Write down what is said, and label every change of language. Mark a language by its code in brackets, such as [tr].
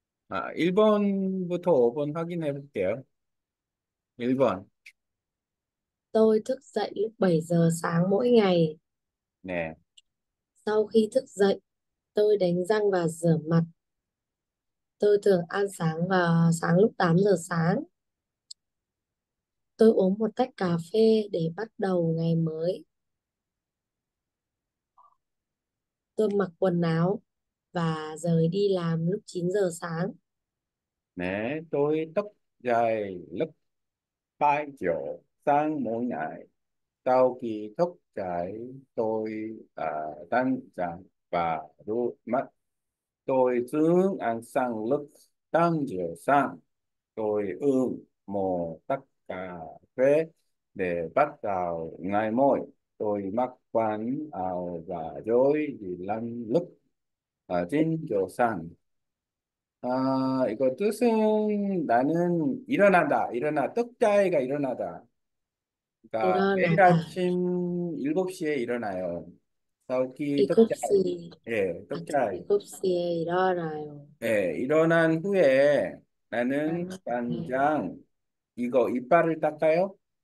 [ko] 1번부터 5번 확인해 볼게요. 1번. [vi] Tôi thức dậy lúc 7 giờ sáng mỗi ngày. Nè. Sau khi thức dậy, tôi đánh răng và rửa mặt. Tôi thường ăn sáng vào sáng lúc 8 giờ sáng. Tôi uống một tách cà phê để bắt đầu ngày mới. Tôi mặc quần áo và rời đi làm lúc 9 giờ sáng. Nè, tôi thức dậy lúc 5 giờ sáng mỗi ngày. Sau khi thức dậy, tôi đánh răng và rửa mặt. Tôi thường ăn sáng lúc 8 giờ sáng. Tôi uống một tách cà phê để bắt đầu ngày mới. Tôi mặc quần áo và rồi đi làm lúc 9 giờ sáng. [ko] 이거 뜻은 나는 일어난다, 일어나, 뜻자이가 일어나다. 그러니까 매일 일어나다. 아침 7시에 일어나요. [vi] 사우키 뜻자이. [ko] 7시 예, 뜻자이. 7시에 일어나요. 예, 일어난 후에 나는 간장, 이거 이빨을 닦아요?